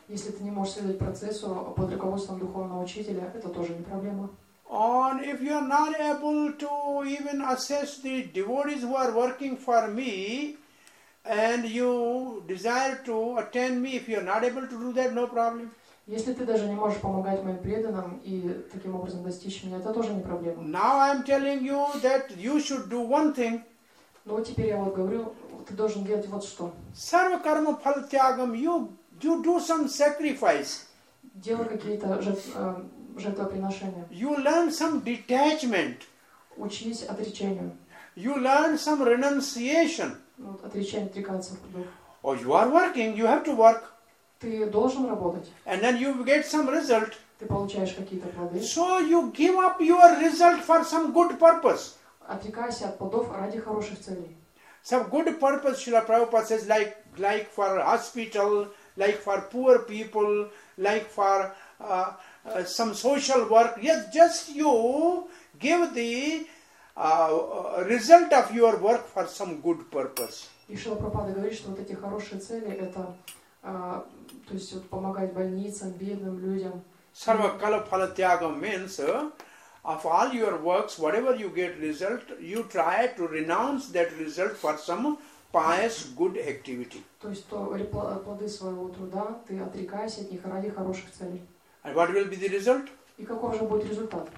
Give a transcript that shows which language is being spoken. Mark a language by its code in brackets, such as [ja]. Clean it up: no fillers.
[ru] Если ты не можешь следовать процессу под руководством духовного учителя, это тоже не проблема. [en] Or if you are not able to even assess the devotees who are working for me, and you desire to attend me, if you are not able to do that, no problem. [ru] Если ты даже не можешь помогать моим преданным и таким образом достичь меня, это тоже не проблема. [en] Now I am telling you that you should do one thing. [ru] Но теперь я вот говорю, ты должен делать вот что. [sa] Сарва карма фала тягам, [en] you do some sacrifice. [ru] Делай какие-то жертвоприношения. [en] You learn some detachment. [ru] Учись отречению. [en] You learn some renunciation. [ru] Вот, отречение, отрекаться. [en] Oh, you are working, you have to work. [ru] Ты должен работать. [en] And then you get some result. [ru] Ты получаешь какие-то плоды. [en] So you give up your result for some good purpose. [ru] Отрекайся от плодов ради хороших целей. [en] Some good purpose, Srila Prabhupada says, like for hospital, like for poor people, like for some social work. Yes, just you give the result of your work for some good purpose. [ru] И Шрила Прабхупада говорит, что вот эти хорошие цели, это, то есть, вот, помогать больницам, бедным людям. [sa] Sarvakala phala tyagam [en] means, of all your works, whatever you get result, you try to renounce that result for some pious, good activity. [ru] То есть, то плоды своего труда, ты отрекаешься от них ради хороших целей. [en] And what will be the result? [ru] И каков же будет результат?